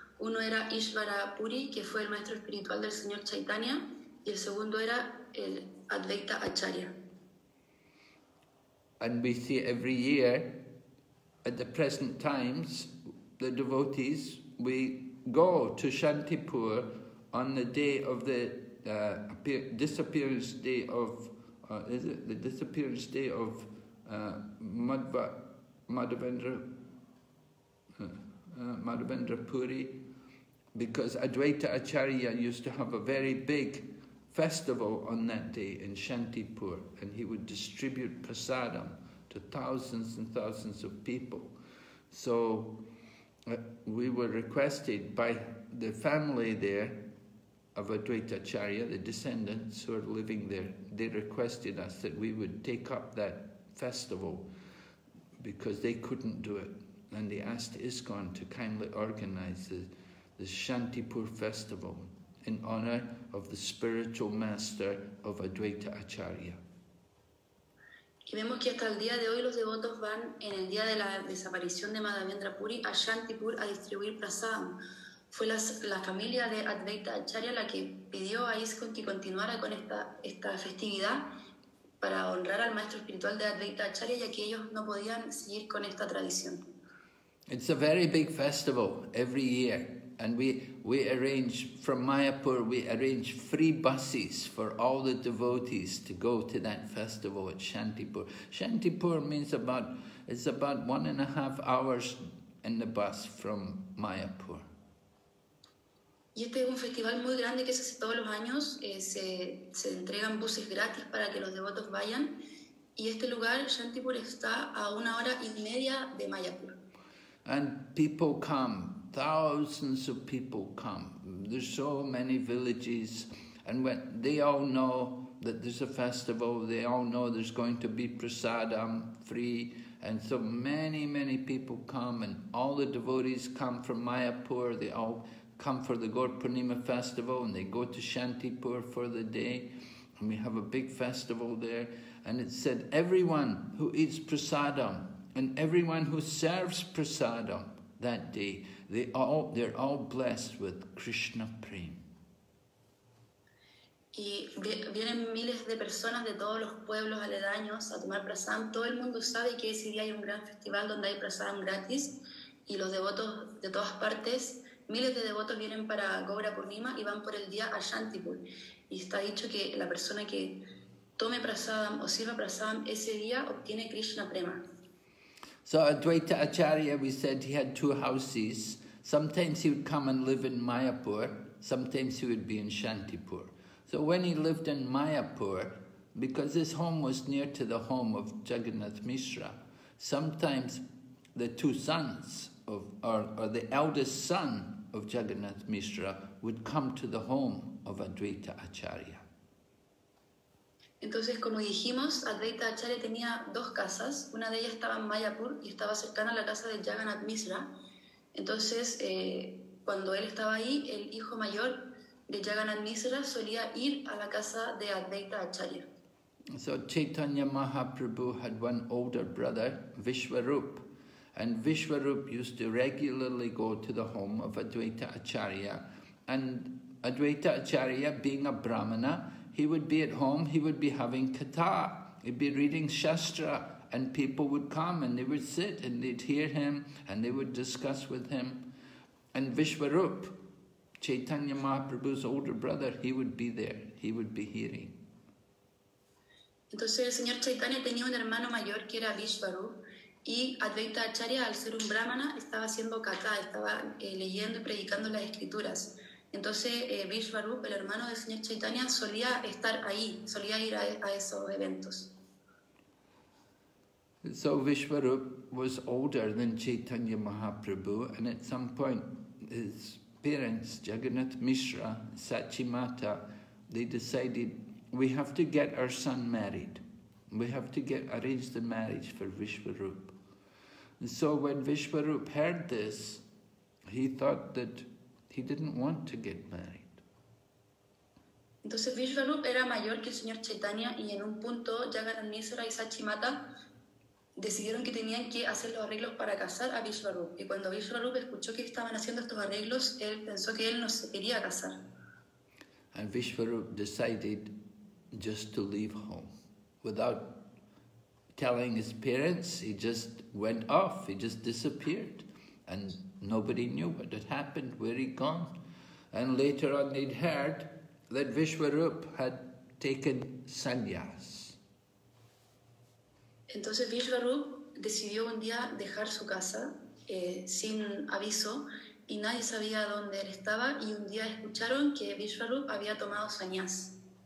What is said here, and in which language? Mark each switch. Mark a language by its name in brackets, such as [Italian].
[Spanish] Uno era Ishvara Puri, que fue el maestro espiritual del señor Chaitanya, y el segundo era el Advaita Acharya. [English] And we see every year, at the present times, the devotees, we go to Shantipur on the day of the disappearance day of, is it the disappearance day of Madhavendra Puri, because Advaita Acharya used to have a very big festival on that day in Shantipur, and he would distribute prasadam to thousands and thousands of people. So we were requested by the family there of Advaita Acharya, the descendants who are living there. They requested us that we would take up that festival because they couldn't do it. And they asked ISKCON to kindly organize the Shantipur festival in honor of the spiritual master of Advaita Acharya. [Spanish] Y vemos que hasta el día de hoy los devotos van en el día de la desaparición de Madhavendra Puri a Shantipur a distribuir prasadam. Fue la familia de Advaita Acharya la que pidió a ISKCON que continuara con esta festividad para honrar al maestro espiritual de Advaita Acharya, ya que ellos no podían seguir con esta tradición. [English] It's a very big festival every year, and we arrange from Mayapur, we arrange free buses for all the devotees to go to that festival at Shantipur. Shantipur means it's about 1.5 hours in the bus from Mayapur. [Spanish] Y este es un festival muy grande que se hace todos los años. Se entregan buses gratis para que los devotos vayan. Y este lugar, Shantipur, está a 1.5 [English] hours [Spanish] de Mayapur. [English] And people come, thousands of people come. There's so many villages, and when they all know that there's a festival, they all know there's going to be prasadam free, and so many, many people come, and all the devotees come from Mayapur, they all come for the Gaur Purnima festival, and they go to Shantipur for the day, and we have a big festival there. And it said everyone who eats prasadam and everyone who serves prasadam that day, they're all blessed with Krishna prem. [Spanish] Y vienen miles de personas de todos los pueblos aledaños a tomar prasadam. Todo el mundo sabe que ese día hay un gran festival donde hay prasadam gratis, y los devotos de todas partes, miles de devotos vienen para Gaura Purnima y van por el día a Shantipur. Y está dicho que la persona que tome prasadam o sirva prasadam ese día obtiene Krishna prema. [English] So Advaita Acharya, we said he had two houses. Sometimes he would come and live in Mayapur, sometimes he would be in Shantipur. So when he lived in Mayapur, because his home was near to the home of Jagannath Mishra, sometimes the two sons of, or the eldest son of Jagannath Mishra would come to the home of Advaita Acharya. [Spanish] Entonces, como dijimos, Advaita Acharya tenía dos casas. Una de ellas estaba en Mayapur y estaba cercana a la casa de Jagannath Mishra. Entonces, cuando él estaba ahí, el hijo mayor de Jagannath Mishra solía ir a la casa de Advaita Acharya. [English] So, Chaitanya Mahaprabhu had one older brother, Vishwarup. And Vishwarup used to regularly go to the home of Advaita Acharya. And Advaita Acharya, being a brahmana, he would be at home, he would be having katha, he'd be reading shastra, and people would come and they would sit and they'd hear him and they would discuss with him. And Vishwarup, Chaitanya Mahaprabhu's older brother, he would be there, he would be hearing. [Spanish] Entonces el señor Chaitanya tenía un hermano mayor que era Vishwarup, y Advaita Acharya, al ser un brahmana, estaba haciendo katha, estaba leyendo y predicando las escrituras. Entonces, Vishwarup, el hermano del señor Chaitanya, solía estar ahí, solía ir a esos eventos. [English] So Vishwarup was older than Chaitanya Mahaprabhu, and at some point his parents, Jagannath Mishra, Sachimata, they decided, we have to get our son married. We have to arrange the marriage for Vishwarup. And so when Vishwarup heard this, he thought that he didn't want to get married. [Spanish] Entonces Vishwarup era mayor que el señor Chaitanya y en un punto Jagannathmisra y Sachimata decidieron que tenían que hacer los arreglos para casar a Vishwarup. Y cuando Vishwarup escuchó que estaban haciendo estos arreglos, él pensó que él no se quería casar. [English] And Vishwarup decided just to leave home. Without telling his parents, he just went off, he just disappeared. And nobody knew what had happened, where he'd gone. And later on they'd heard that Vishwarup had taken sannyas. [Spanish] Entonces Vishwarup decidió un día dejar su casa sin aviso y nadie sabía dónde él estaba y un día escucharon que Vishwarup había tomado sannyas.